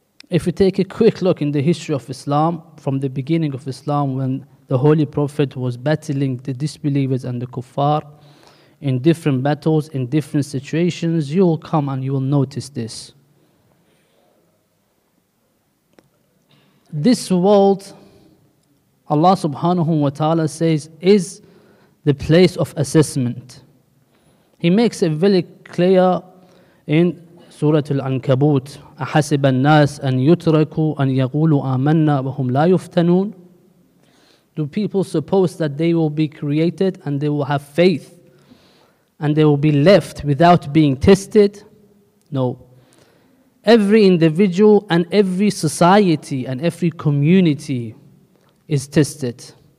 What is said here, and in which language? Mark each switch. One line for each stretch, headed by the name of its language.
English: If we take a quick look in the history of Islam, from the beginning of Islam, when the Holy Prophet was battling the disbelievers and the kuffar, in different battles, in different situations, you will come and you will notice this. This world, Allah subhanahu wa ta'ala says, is the place of assessment. He makes it very clear in Surah Al-Ankabut,
Arabic: أَحَسِبَ النَّاسِ أَنْ يُتْرَكُوا أَنْ يَقُولُوا آمَنَّا وَهُمْ لَا يُفْتَنُونَ.
English: Do people suppose that they will be created and they will have faith and they will be left without being tested? No. Every individual and every society and every community is tested.